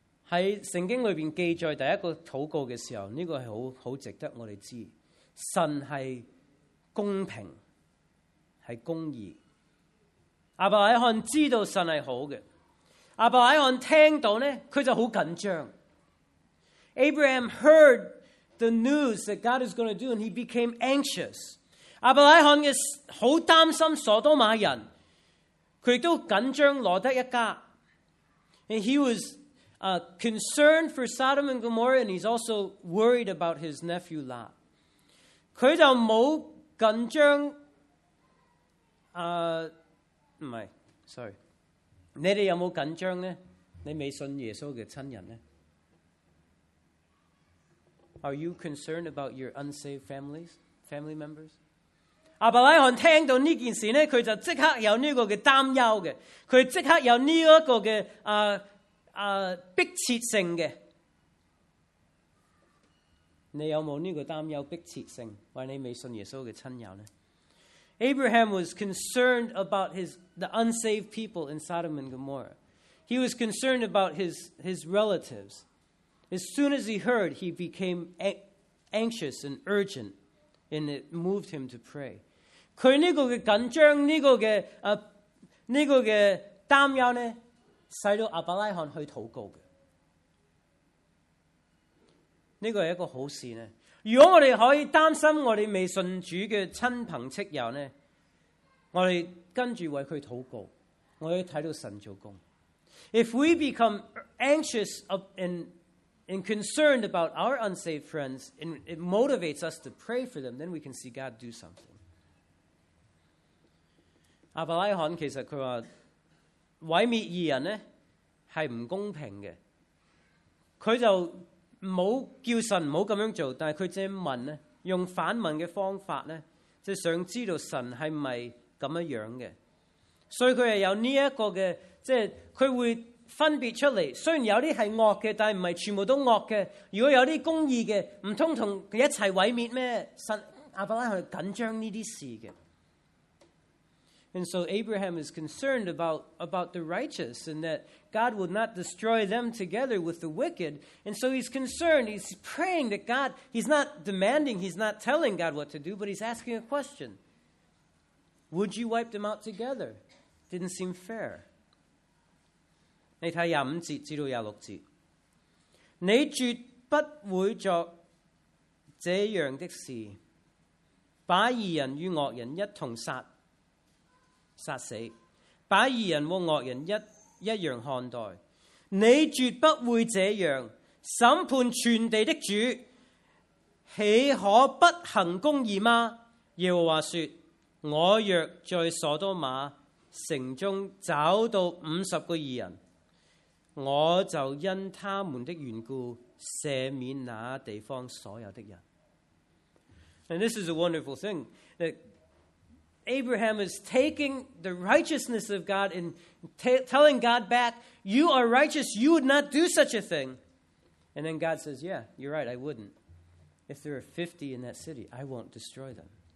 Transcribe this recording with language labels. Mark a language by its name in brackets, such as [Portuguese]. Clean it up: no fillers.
[Chinese] 在圣经里面记载第一个祷告的时候，这个是 很值得我们知道，神是公平，是公义。亚伯拉罕知道神是好的，亚伯拉罕听到呢，他就很紧张。 [English] Abraham heard the news that God is going to do, and he became anxious. [Chinese] 亚伯拉罕很担心索多玛人，他也紧张罗德一家。 [English] And he was concerned for Sodom and Gomorrah, and he's also worried about his nephew Lot. [Chinese] 他就没紧张。你们有没有紧张呢？你未信耶稣的亲人呢？ [English] Are you concerned about your unsaved family members? [Chinese] 亚伯拉罕听到这件事呢，他就立刻有这个担忧的，他立刻有这个的迫切性的。你有没有这个担忧迫切性，为你未信耶稣的亲友呢？ [English] Abraham was concerned about the unsaved people in Sodom and Gomorrah. He was concerned about his relatives. As soon as he heard, he became anxious and urgent, and it moved him to pray. [Chinese] 他这个的紧张，这个的担忧呢，使到亚伯拉罕去祷告的。这个是一个好事呢。如果我们可以担心我们未信主的亲朋戚友呢，我们跟着为他祷告，我们看到神做工。 [English] If we become anxious and concerned about our unsaved friends, and it motivates us to pray for them, then we can see God do something. [Chinese] 亚伯拉罕其实他说，毁灭义人呢，是不公平的。他就没有叫神不要这样做，但是他只是问，用反问的方法，就是想知道神是不是这样的。所以他是有这个的，就是他会分别出来，虽然有些是恶的，但不是全部都恶的。如果有些公义的，难道跟一起毁灭吗？神亚伯拉罕是紧张这些事的。 [English] And so Abraham is concerned about the righteous and that God will not destroy them together with the wicked. And so he's concerned, he's praying that God, he's not demanding, he's not telling God what to do, but he's asking a question. Would you wipe them out together? Didn't seem fair. [Chinese] 你看25节至26节。你绝不会作这样的事，把义人与恶人一同杀死，把义人和恶人一样看待。你绝不会这样。审判全地的主，岂可不行公义吗？耶和华说：我若在所多玛城中找到50个义人，我就因他们的缘故赦免那地方所有的人。 [English] And this is a wonderful thing that Abraham is taking the righteousness of God and telling God back, "You are righteous. You would not do such a thing." And then God says, "Yeah, you're right. I wouldn't. If there are 50 in that city, I won't destroy them."